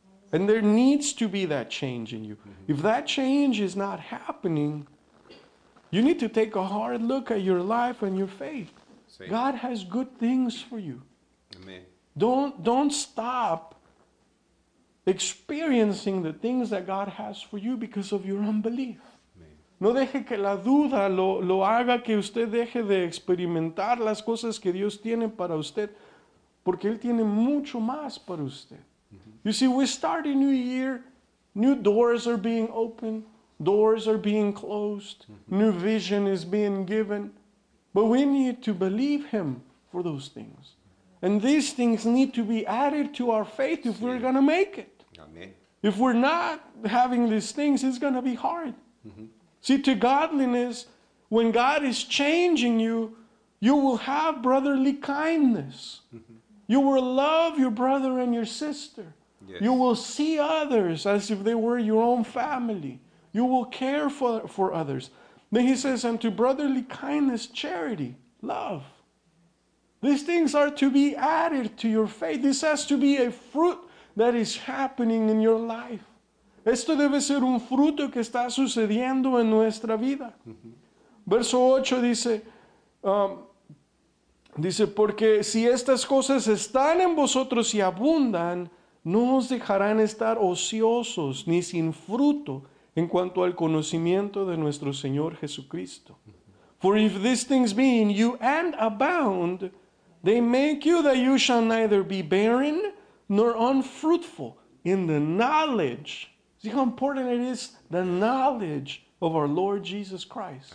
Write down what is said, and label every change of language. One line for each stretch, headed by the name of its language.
English: And there needs to be that change in you. Mm-hmm. If that change is not happening, you need to take a hard look at your life and your faith. Same. God has good things for you. Amen. Don't stop experiencing the things that God has for you because of your unbelief.
Spanish: No deje que la duda lo haga que usted deje de experimentar las cosas que Dios tiene para usted, porque Él tiene mucho más para usted.
English: Mm-hmm. You see, we start a new year, new doors are being opened, doors are being closed, mm-hmm. new vision is being given, but we need to believe Him for those things. And these things need to be added to our faith if we're going to make it. Amen. If we're not having these things, it's going to be hard. Mm-hmm. See, to godliness, when God is changing you, you will have brotherly kindness. You will love your brother and your sister. Yes. You will see others as if they were your own family. You will care for others. Then He says, and to brotherly kindness, charity, love. These things are to be added to your faith. This has to be a fruit that is happening in your life.
Spanish: Esto debe ser un fruto que está sucediendo en nuestra vida. Mm-hmm. Verso 8 dice, porque si estas cosas están en vosotros y abundan, no os dejarán estar ociosos ni sin fruto en cuanto al conocimiento de nuestro Señor Jesucristo. Mm-hmm.
English: For if these things be in you and abound, they make you that you shall neither be barren nor unfruitful in the knowledge. See how important it is, the knowledge of our Lord Jesus Christ.